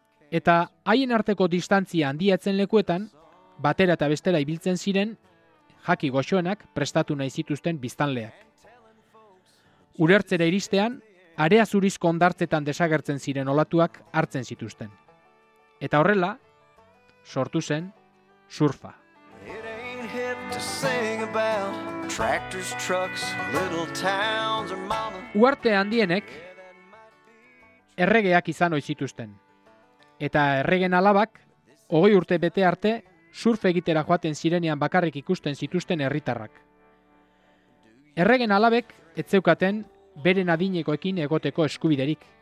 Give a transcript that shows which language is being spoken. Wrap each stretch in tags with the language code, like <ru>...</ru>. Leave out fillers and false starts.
<eu>Eta haien arteko distantzia handiatzen lekuetan, batera eta bestera ibiltzen ziren, jaki goxoenak prestatu nahi zituzten biztanleak. Urertzera iristean, area zurizko ondartzetan desagertzen ziren olatuak hartzen zituzten. Eta horrela, sortu zen surfa.</eu> <en>It ain't hip to sing about tractors, trucks, little towns or mama.</en> <eu>Uarte handienek erregeak izan ohi zituzten. Eta erregen alabak, 20 urte bete arte, surf egitera joaten zirenean bakarrik ikusten zituzten herritarrak. Erregen alabek etzeukaten beren adinekoekin egoteko eskubiderik.</eu>